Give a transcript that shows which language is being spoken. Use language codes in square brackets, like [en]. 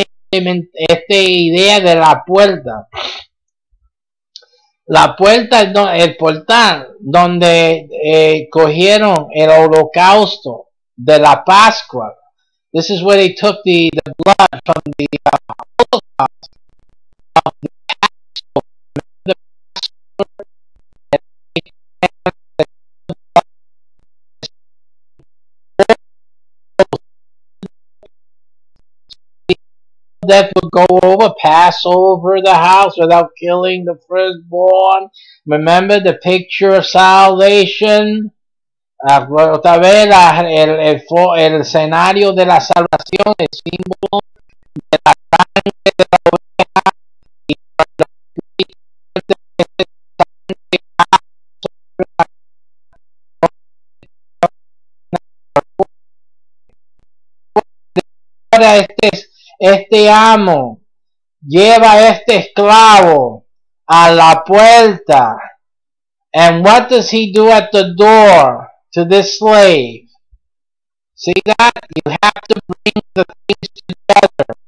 [es] Esta idea de la puerta, el portal donde cogieron el holocausto de la Pascua. [en] This is where they took the blood from the holocaust of the death would go over, pass over the house without killing the firstborn. Remember the picture of salvation? [es] Otra vez, el escenario de la salvación, el símbolo de la sangre de la oveja. Ahora este amo lleva a este esclavo a la puerta. [en] And what does he do at the door to this slave? See that? You have to bring the things together.